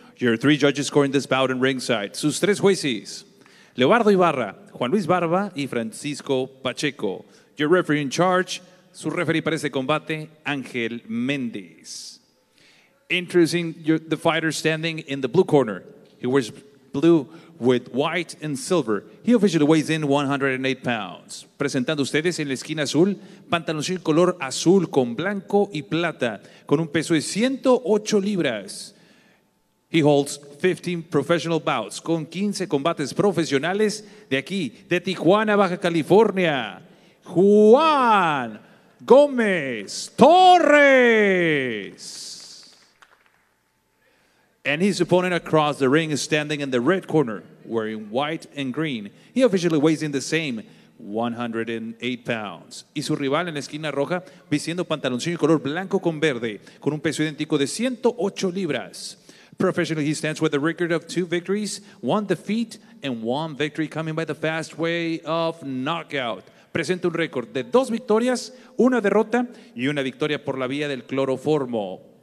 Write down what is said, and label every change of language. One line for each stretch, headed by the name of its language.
English: Your three judges scoring this bout in ringside.
Spanish: Sus tres jueces, Leobardo Ibarra, Juan Luis Barba y Francisco Pacheco.
English: Your referee in charge,
Spanish: su referee para este combate,
English: Ángel Méndez. Introducing the fighter standing in the blue corner. He wears blue with white and silver. He officially weighs in 108 pounds.
Spanish: Presentando ustedes en la esquina azul, pantaloncillo color azul con blanco y plata, con un peso de 108 libras.
English: He holds 15 professional bouts,
Spanish: con 15 combates profesionales de aquí, de Tijuana, Baja California. Juan Gomez Torres.
English: And his opponent across the ring is standing in the red corner, wearing white and green. He officially weighs in the same, 108 pounds.
Spanish: Y su rival en la esquina roja, vistiendo pantaloncillo color blanco con verde, con un peso idéntico de 108 libras.
English: Professionally, he stands with a record of 2 victories, 1 defeat, and 1 victory coming by the fast way of knockout.
Spanish: Presenta un récord de 2 victorias, 1 derrota, y 1 victoria por la vía del cloroformo.